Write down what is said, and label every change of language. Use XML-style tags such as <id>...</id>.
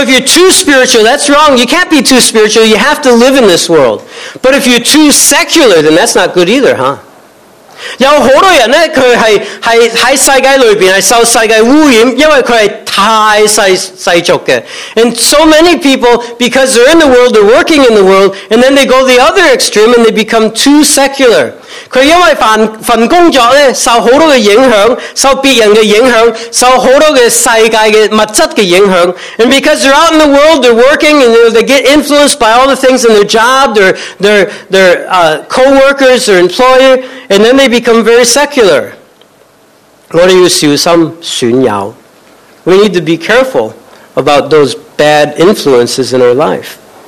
<en>if you're too spiritual, that's wrong, you can't be too spiritual, you have to live in this world. But if you're too secular, then that's not good either, huh?</en> <zh>有很多人呢,他是在世界里面,受世界污染,因为他是太世俗的。</zh> <en>And so many people, because they're in the world, they're working in the world, and then they go the other extreme and they become too secular.</en> <zh>他因为份工作呢,受很多的影响,受别人的影响,受很多的世界的物质的影响。</zh> <en>And because they're out in the world, they're working, and they get influenced by all the things in their job, their co-workers, their employer, and then they become very secular. What do you see? Some 损友. We need to be careful about those bad influences in our life.</en>